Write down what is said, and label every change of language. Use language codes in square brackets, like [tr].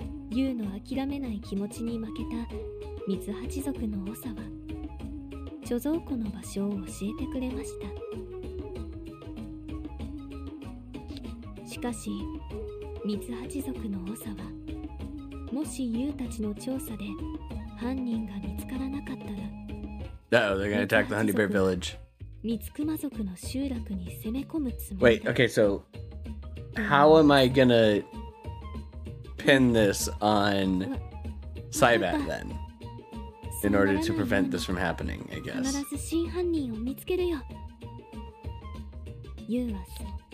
[ja] ユウの諦めない気持ちに負けたミツハチ族の王者は貯蔵庫の場所を教えてくれました。しかしミツハチ族の王者は、もしユウたちの調査で犯人が見つからなかったら、 [en] Uh-oh, they're gonna attack the Honey Bear Village. [ja] ミツクマ族の集落に攻め込むつもり。 [en] Wait, okay, so how am I gonna pin this on Saibat then? In order to prevent this from happening, I guess. [ja] 必ず真犯人を見つけるよ。ユウはそう。